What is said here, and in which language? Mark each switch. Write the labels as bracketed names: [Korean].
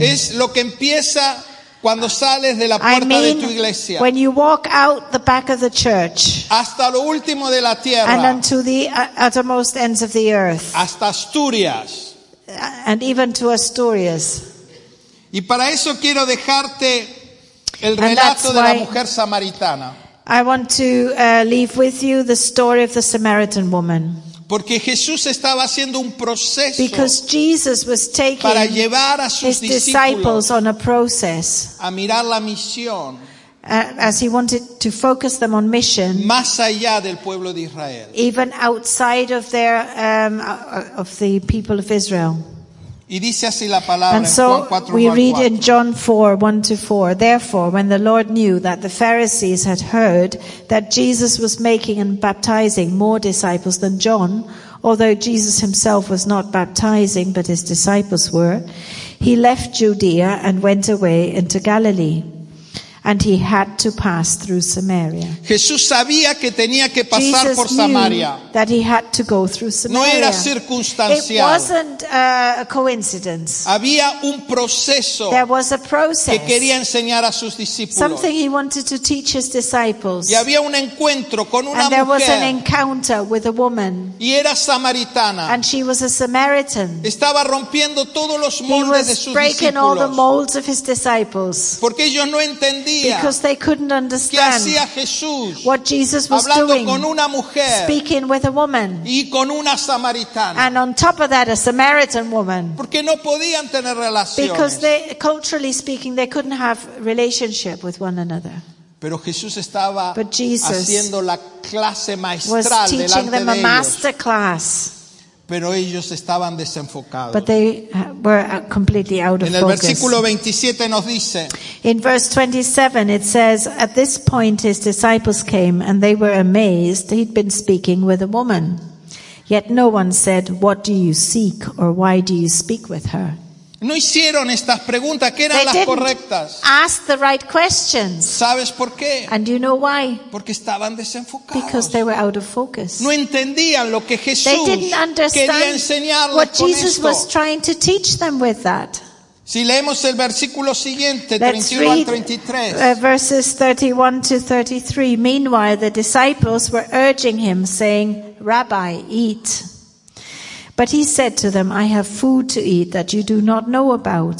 [Spanish] es lo que empieza cuando sales de la puerta [English] I mean, [Spanish] de tu iglesia. [English] When you walk out the back of the church, [Spanish] hasta lo último de la tierra, [English] and unto the uttermost ends of the earth, [Spanish] hasta Asturias. [English] And even to Asturias. [Spanish] Y para eso quiero dejarte el relato de la mujer samaritana. [English] I want to leave with you the story of the Samaritan woman. [Spanish] Porque Jesús estaba haciendo un proceso. [English] Because Jesus was taking [Spanish] para llevar a sus [English] his disciples on a process. [Spanish] A mirar la misión. [English] As he wanted to focus them on mission, [Spanish] más allá del pueblo de Israel, [English] even outside of their of the people of Israel. [Spanish] Y dice así la palabra, [English] and so [Spanish] Juan 4, [English] we read 4. In John 4:1-4. Therefore, when the Lord knew that the Pharisees had heard that Jesus was making and baptizing more disciples than John, although Jesus himself was not baptizing but his disciples were, he left Judea and went away into Galilee. And he had to pass through Samaria. [Spanish] Jesús sabía que tenía que pasar por Samaria. [English] Jesus knew that he had to go through Samaria. [Spanish] No era circunstancial. [English] It wasn't a coincidence. [Spanish] Había un proceso. [English] There was a process. [Spanish] Que quería enseñar a sus discípulos. [English] Something he wanted to teach his disciples. [Spanish] Y había un encuentro con una mujer. [English] And there was an encounter with a woman. [Spanish] Y era samaritana. [English] And she was a Samaritan. [Spanish] Estaba rompiendo todos los moldes de sus discípulos. [English] He was breaking all the molds of his disciples. [Spanish] Porque ellos no entendían. [English] Because they couldn't understand [Spanish] ¿qué hacía Jesús? [English] What Jesus was [Spanish] hablando [English] doing, [Spanish] con una mujer, [English] speaking with a woman, [Spanish] y con una samaritana. [English] And on top of that, a Samaritan woman. [Spanish] Porque no podían tener relaciones. [English] Because they, culturally speaking, they couldn't have relationship with one another. [Spanish] Pero Jesús estaba [English] But Jesus [Spanish] haciendo la clase maestral [English] was teaching [Spanish] delante [English] them [Spanish] de [English] a master class. [Spanish] Pero ellos estaban desenfocados. [English] But they were completely out of [Spanish] en el [English] focus. [Spanish] Versículo 27 nos dice, [English] in verse 27 it says, at this point his disciples came and they were amazed he'd been speaking with a woman. Yet no one said, "What do you seek?" or "Why do you speak with her?" [Spanish] No hicieron estas preguntas que eran las correctas. [English] Ask the right questions. [Spanish] ¿Sabes por qué? [English] And do you know why? [Spanish] Porque estaban desenfocados. [English] Because they were out of focus. [Spanish] No entendían lo que Jesús quería enseñarles con esto. [English] They didn't understand what Jesus was trying to teach them with that. [Spanish] Si leemos el versículo siguiente, [English] 31-33. Verses 31-33. Meanwhile, the disciples were urging him, saying, "Rabbi, eat." But he said to them, "I have food to eat that you do not know about."